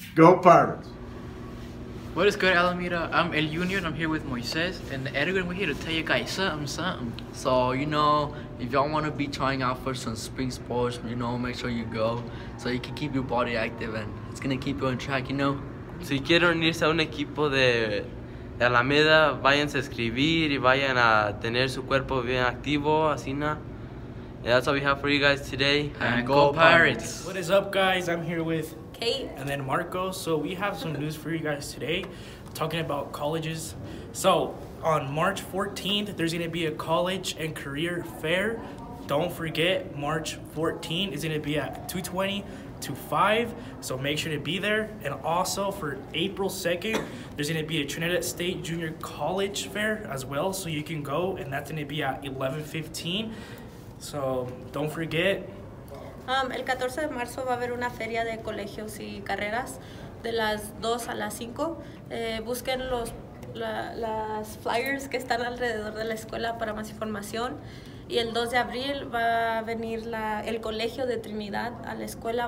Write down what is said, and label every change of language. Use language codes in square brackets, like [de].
[en] Go Pirates! What is good, Alameda? I'm El Junior, and I'm here with Moises and Edgar. We're here to tell you guys something. So, you know, if y'all want to be trying out for some spring sports, you know, make sure you go so you can keep your body active and it's going to keep you on track, you know? [es] Si quieren unirse a un equipo de Alameda, váyanse a escribir y vayan a tener su cuerpo bien activo, así na. [en] And that's all we have for you guys today. And go Pirates! What is up, guys? I'm here with Kate and then Marco. So we have some news for you guys today, talking about colleges. So on March 14th, there's going to be a college and career fair. Don't forget, March 14th is going to be at 2:20 to 5, so make sure to be there. And also for April 2nd, there's going to be a Trinidad State Junior College Fair as well, so you can go, and that's going to be at 11:15. So don't forget. [es] El 14 de marzo va a haber una feria de colegios y carreras de las 2 a las 5. Busquen las flyers que están alrededor de la escuela para más información. Y el 2 de abril va a venir el colegio de Trinidad a la escuela.